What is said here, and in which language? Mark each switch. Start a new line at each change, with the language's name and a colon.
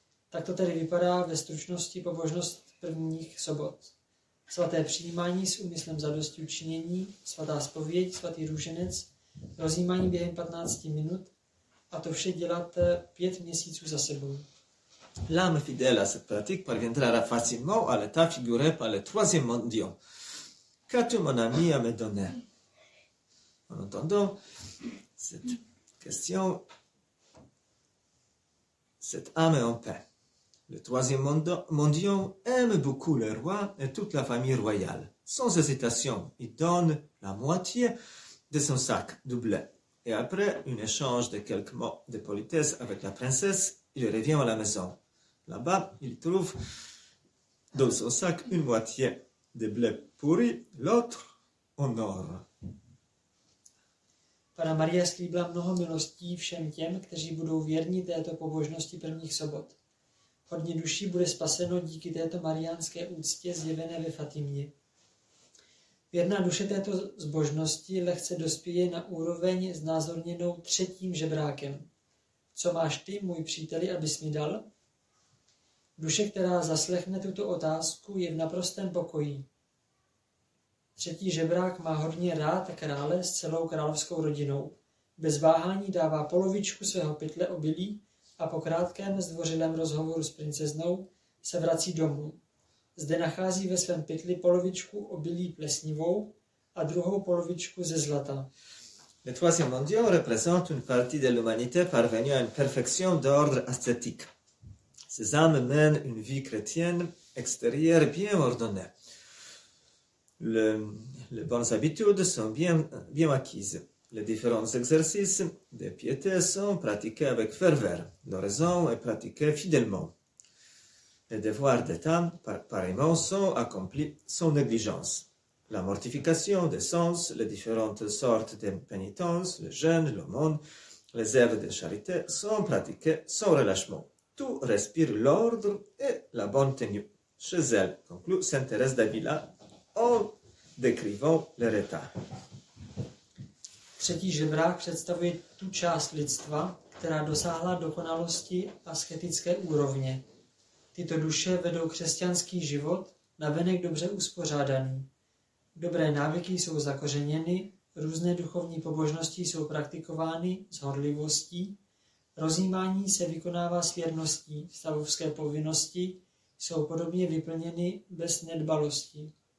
Czech: Tak to tedy vypadá ve stručnosti pobožnost prvních sobot. Svaté přijímání s úmyslem zadosti učinění, svatá zpověď, svatý růženec, rozjímání během 15 minut a to vše dělat 5 měsíců za sebou.
French: L'âme fidèle à cette pratique parviendra facilement à l'état figuré par le troisième mendiant. Qu'as-tu mon ami à me donner? En entendant cette question, cette âme est en paix. Le troisième mendiant aime beaucoup le roi et toute la famille royale. Sans hésitation, il donne la moitié de son sac du blé. Et après un échange de quelques mots de politesse avec la princesse, il revient à la maison. Là-bas, il trouve dans son sac une moitié de blé pourri, l'autre en or.
Czech: Panna Maria slíbila mnoho milostí všem těm, kteří budou věrní této pobožnosti prvních sobot. Hodně duší bude spaseno díky této mariánské úctě zjevené ve Fatimě. Věrná duše této zbožnosti lehce dospěje na úroveň znázorněnou třetím žebrákem. Co máš ty, můj příteli, abys mi dal? Duše, která zaslechne tuto otázku, je v naprostém pokoji. Třetí žebrák má hodně rád krále s celou královskou rodinou. Bez váhání dává polovičku svého pytle obilí a po krátkém zdvořilém rozhovoru s princeznou se vrací domů. Zde nachází ve svém pytli polovičku obilí plesnivou a druhou polovičku ze zlata.
French: Le troisième mendiant représente une partie de l'humanité parvenue à une perfection d'ordre ascétique. Ces âmes mènent une vie chrétienne extérieure bien ordonnée. Les bonnes habitudes sont bien acquises. Les différents exercices de piété sont pratiqués avec ferveur. L'oraison est pratiquée fidèlement. Les devoirs d'État, pareillement, sont accomplis sans négligence. La mortification des sens, les différentes sortes de pénitences, le jeûne, l'aumône, les œuvres de charité sont pratiquées sans relâchement. Tout respire l'ordre et la bonne tenue. Chez elle, conclut Sainte Thérèse d'Avila en décrivant leur état.
Czech: Třetí žebrák představuje tu část lidstva, která dosáhla dokonalosti asketické úrovně. Tyto duše vedou křesťanský život, navenek dobře uspořádaný. Dobré návyky jsou zakořeněny, různé duchovní pobožnosti jsou praktikovány s horlivostí, rozjímání se vykonává s věrností, stavovské povinnosti jsou podobně vyplněny bez nedbalosti.